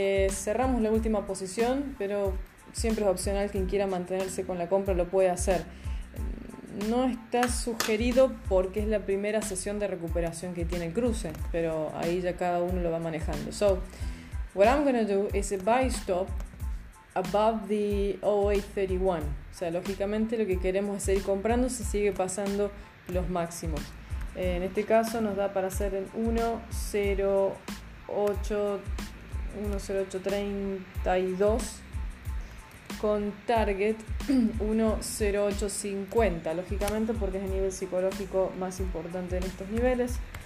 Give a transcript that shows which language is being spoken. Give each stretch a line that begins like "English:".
Spanish: Cerramos la última posición, pero siempre es opcional, quien quiera mantenerse con la compra lo puede hacer. No está sugerido porque es la primera sesión de recuperación que tiene el cruce, pero ahí ya cada uno lo va manejando.
English: So, what I'm going to do is a buy stop above the 0831.
Spanish: O sea, lógicamente lo que queremos es seguir comprando si sigue pasando los máximos. En este caso nos da para hacer en 1.08.32 con target 1.08.50, lógicamente porque es el nivel psicológico más importante en estos niveles.